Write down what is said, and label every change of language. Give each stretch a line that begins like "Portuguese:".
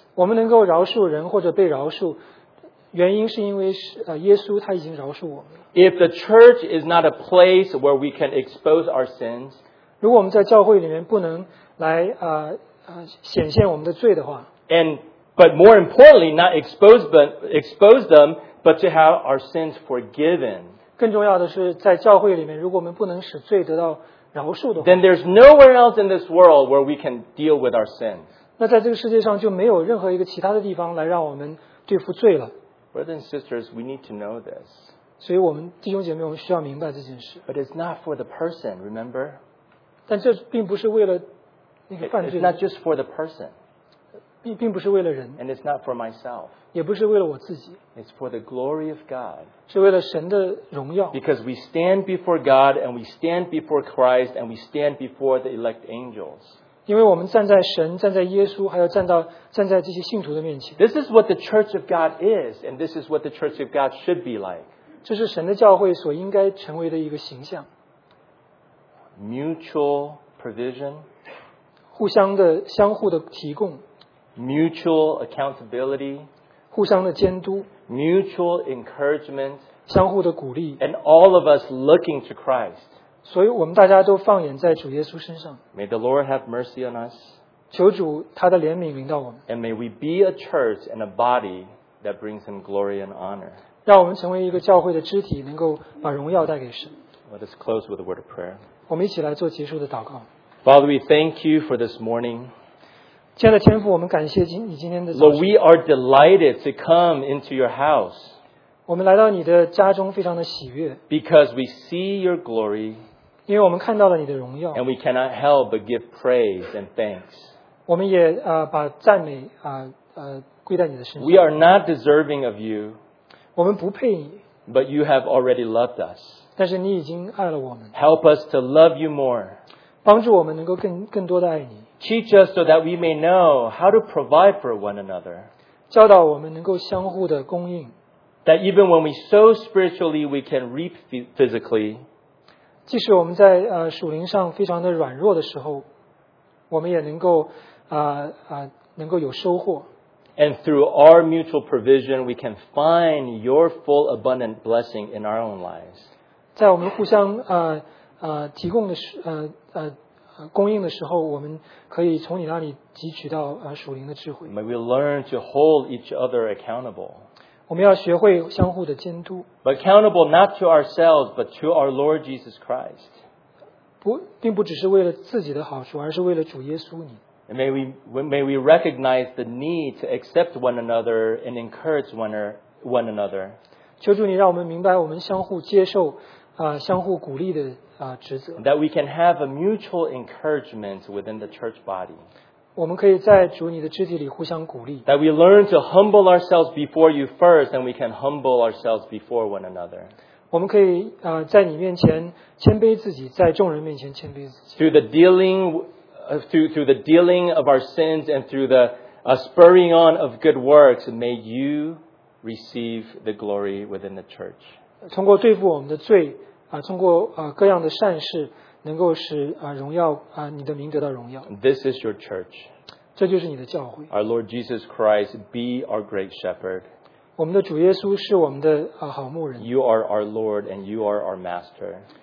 Chinese: 我们能够饶恕人或者被饶恕，原因是因为耶稣他已经饶恕我们了。
English: If the church is not a place where we can expose our sins,
Chinese: 如果我们在教会里面不能来显现我们的罪的话
English: but more importantly, not expose them, but to have our sins forgiven.
Chinese: 更重要的是在教会里面如果我们不能使罪得到饶恕的话
English: then there's nowhere else in this world where we can deal with our sins.
Chinese: 那在这个世界上就没有任何一个其他的地方来让我们对付罪了。
English: Brothers and sisters, we need to know this.
Chinese: 所以我们弟兄姐妹，我们需要明白这件事。
English: But it's not for the person, remember?
Chinese: 但这并不是为了那个犯罪。
English: It's not just for the person.
Chinese: 并不是为了人。
English: And it's not for myself.
Chinese: 也不是为了我自己。
English: It's for the glory of God.
Chinese: 是为了神的荣耀。
English: Because we stand before God, and we stand before Christ, and we stand before the elect angels.
Chinese: 因为我们站在神站在耶稣还有站在这些信徒的面前。
English: This is what the church of God is, and this is what the church of God should be like.
Chinese: 这是神的教会所应该成为的一个形象。
English: Mutual provision.
Chinese: 相互的提供。
English: Mutual accountability.
Chinese: 互相的监督。
English: Mutual encouragement.
Chinese: 相互的鼓励。
English: And all of us looking to Christ.
Chinese: 所以我们大家都放眼在主耶稣身上。
English: May the Lord have mercy on us.
Chinese: 求主他的怜悯临到我们。
English: And may we be a church and a body that brings Him glory and honor.
Chinese: 让我们成为一个教会的肢体，能够把荣耀带给神。
English: Let us close with a word of prayer.
Chinese: 我们一起来做结束的祷告。
English: Father, we thank you for this morning.
Chinese: 亲爱的天父，我们感谢你今天的早晨。
English: Lord, we are delighted to come into your house.
Chinese: 我们来到你的家中非常的喜悦
English: Because we see your glory
Chinese: 因为我们看到了你的荣耀
English: And we cannot help but give praise and thanks
Chinese: 我们也把赞美归在你的身上
English: We are not deserving of you
Chinese: 我们不配你
English: But you have already loved us
Chinese: 但是你已经爱了我们
English: Help us to love you more
Chinese: 帮助我们能够更多的爱你
English: Teach us so that we may know how to provide for one another
Chinese: 教导我们能够相互的供应
English: That even when we sow spiritually, we can reap physically.
Chinese: 即使我们在属灵上非常的软弱的时候，我们也能够能够有收获。
English: And through our mutual provision, we can find your full abundant blessing in our own lives.
Chinese: 在我们互相提供的供应的时候，我们可以从你那里汲取到属灵的智慧。
English: May we learn to hold each other accountable.
Chinese: 我们要学会相互的监督。
English: But accountable not to ourselves, but to our Lord Jesus Christ.
Chinese: 并不只是为了自己的好处，而是为了主耶稣你。
English: And may we recognize the need to accept one another and encourage one another.
Chinese: 求主你让我们明白我们相互接受相互鼓励的职责。
English: That we can have a mutual encouragement within the church body.
Chinese: 我们可以在主你的肢体里互相鼓励。
English: That we learn to humble ourselves before you first, and we can humble ourselves before one another.
Chinese: 我们可以在你面前谦卑自己，在众人面前谦卑自己。
English: Through the dealing of our sins and through the spurring on of good works, may you receive the glory within the church.
Chinese: 通过对付我们的罪通过各样的善事，能够使荣耀你的名得到荣耀。
English: This is your church.
Chinese: 这就是你的教会。
English: Our Lord Jesus Christ, be our great shepherd.
Chinese: 我们的主耶稣是我们的好牧人。
English: You are our Lord and you are our Master.